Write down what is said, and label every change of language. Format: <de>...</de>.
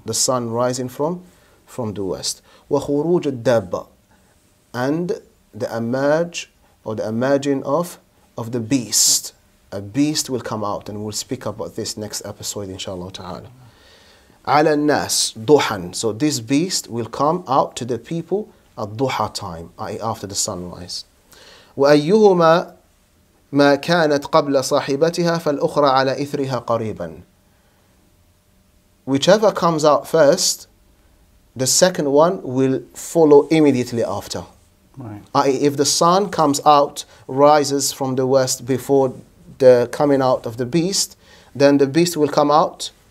<en>The sun rising from the west.</en> <ar>Wa khuruj al-dabba,</ar> <en>and the emerging of the beast. A beast will come out, and we'll speak about this next episode, inshallah ta'ala.</en> <ar>Ala nas duhan.</ar> <en>So this beast will come out to the people at duha time, i.e. after the sunrise.</en> <ar>Wa ayyuhuma ما كانت قبل صاحبتها فالأخرى على إثرها قريبا.</ar> <en>Whichever comes out first, the second one will follow immediately after. Right. I.e. if the sun comes out, rises from the west before the coming out of the beast, then the beast will come out.</en>